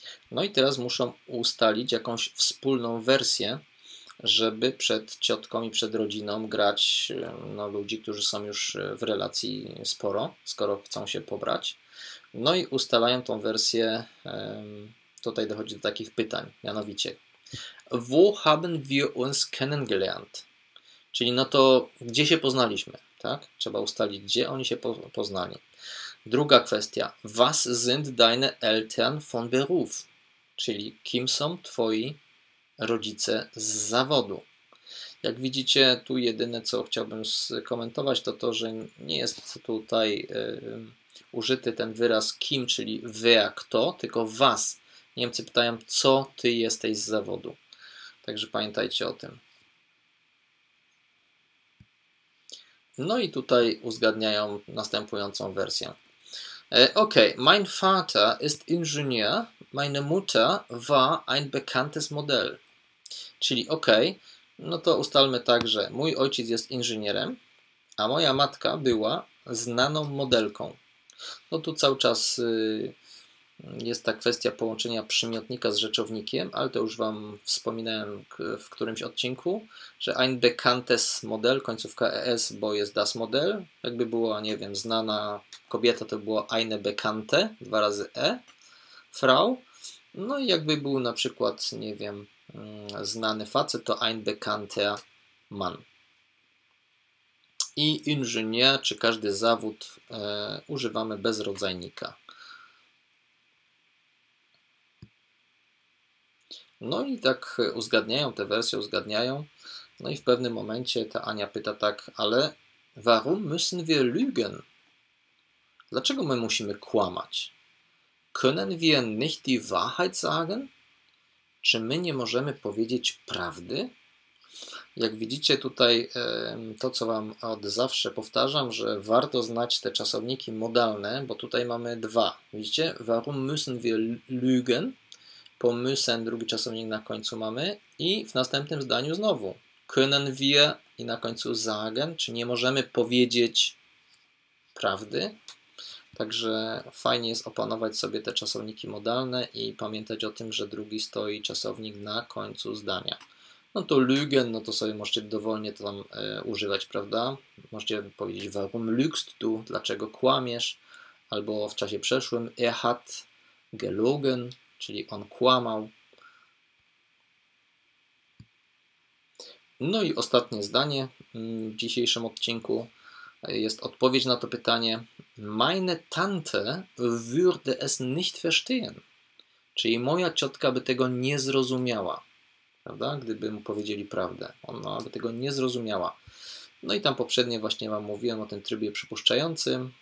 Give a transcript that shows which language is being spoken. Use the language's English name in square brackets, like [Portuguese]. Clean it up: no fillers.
[Polish] No i teraz muszą ustalić jakąś wspólną wersję, żeby przed ciotką i przed rodziną grać no, ludzi, którzy są już w relacji sporo, skoro chcą się pobrać. No i ustalają tą wersję, tutaj dochodzi do takich pytań, mianowicie [German] Wo haben wir uns kennengelernt? [Polish] Czyli no to gdzie się poznaliśmy, tak? Trzeba ustalić, gdzie oni się poznali. Druga kwestia. [German] Was sind deine Eltern von Beruf? [Polish] Czyli kim są twoi rodzice z zawodu? Jak widzicie, tu jedyne, co chciałbym skomentować, to to, że nie jest tutaj użyty ten wyraz kim, czyli wer, kto, tylko was. Niemcy pytają, co ty jesteś z zawodu. Także pamiętajcie o tym. No i tutaj uzgadniają następującą wersję. [German] Ok, mein Vater ist Ingenieur, meine Mutter war ein bekanntes Modell. [Polish] Czyli ok, no to ustalmy tak, że mój ojciec jest inżynierem, a moja matka była znaną modelką. No tu cały czas jest ta kwestia połączenia przymiotnika z rzeczownikiem, ale to już wam wspominałem w którymś odcinku, że [German] ein bekanntes Model, [Polish] końcówka es, bo jest das Model. Jakby była, nie wiem, znana kobieta, to było [German] eine bekannte, [Polish] dwa razy e, Frau. No i jakby był na przykład, nie wiem, znany facet, to [German] ein bekannter Mann. [Polish] I inżynier, czy każdy zawód, używamy bez rodzajnika. No i tak uzgadniają tę wersję, uzgadniają. No i w pewnym momencie ta Ania pyta tak, ale [German] warum müssen wir lügen? [Polish] Dlaczego my musimy kłamać? [German] Können wir nicht die Wahrheit sagen? [Polish] Czy my nie możemy powiedzieć prawdy? Jak widzicie tutaj to, co wam od zawsze powtarzam, że warto znać te czasowniki modalne, bo tutaj mamy dwa. Widzicie? [German] Warum müssen wir lügen? [Polish] Pomysłem, drugi czasownik na końcu mamy i w następnym zdaniu znowu. [German] Können wir [Polish] i na końcu sagen, czy nie możemy powiedzieć prawdy. Także fajnie jest opanować sobie te czasowniki modalne i pamiętać o tym, że drugi stoi czasownik na końcu zdania. No to lügen, no to sobie możecie dowolnie to tam używać, prawda? Możecie powiedzieć [German] warum lügst du, [Polish] dlaczego kłamiesz, albo w czasie przeszłym [German] er hat gelogen, [Polish] czyli on kłamał. No i ostatnie zdanie w dzisiejszym odcinku jest odpowiedź na to pytanie. [German] Meine Tante würde es nicht verstehen. [Polish] Czyli moja ciotka by tego nie zrozumiała. Prawda? Gdyby mu powiedzieli prawdę. Ona by tego nie zrozumiała. No i tam poprzednio właśnie wam mówiłem o tym trybie przypuszczającym.